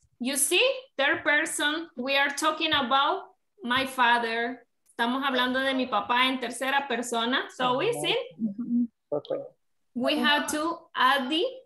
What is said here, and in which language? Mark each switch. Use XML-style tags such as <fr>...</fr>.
<en>You see, third person, we are talking about my father.</en> <es>Estamos hablando de mi papá en tercera persona.</es> <en>So we see, we have to add the</en>